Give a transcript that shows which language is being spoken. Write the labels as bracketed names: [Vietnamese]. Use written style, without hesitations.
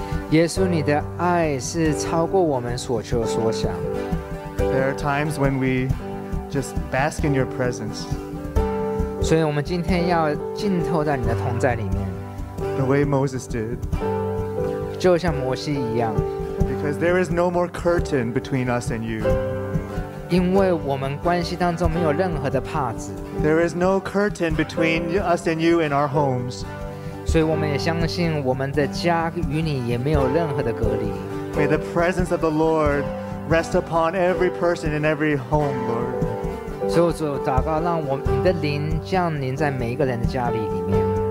[Chinese] 耶稣，你的爱是超过我们所求所想。 [English] There are times when we just bask in your presence. [Chinese] 所以我们今天要浸透在你的同在里面。 [English] The way Moses did. [Chinese] 就像摩西一样。 [English] Because there is no more curtain between us and you. [Chinese] 因为我们关系当中没有任何的帕子。 [English] There is no curtain between us and you in our homes. [Chinese] 所以我们也相信我们的家与你也没有任何的隔离。 [English] May the presence of the Lord rest upon every person in every home, Lord. [Chinese] 所以我祷告，让我你的灵降临在每一个人的家里里面。